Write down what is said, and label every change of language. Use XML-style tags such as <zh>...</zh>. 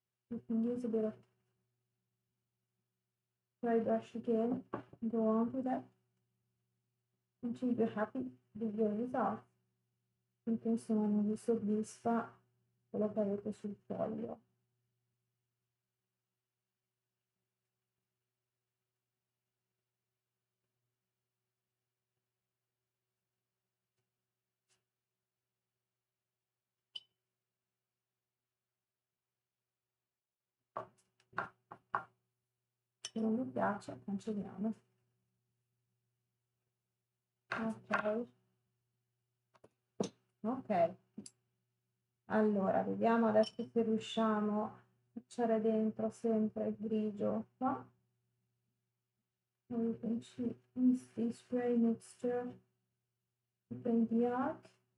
<en>You can use a bit of dry brush again, go on with that until you're happy with your result.</en> <it>Quindi insomma non vi soddisfa quello che avete sul foglio. Se non vi piace, cancelliamo. Ok. Ok, allora vediamo adesso se riusciamo a cacciare dentro sempre il grigio qua. No?</it> <en>We can see this spray mixture in the arc.</en>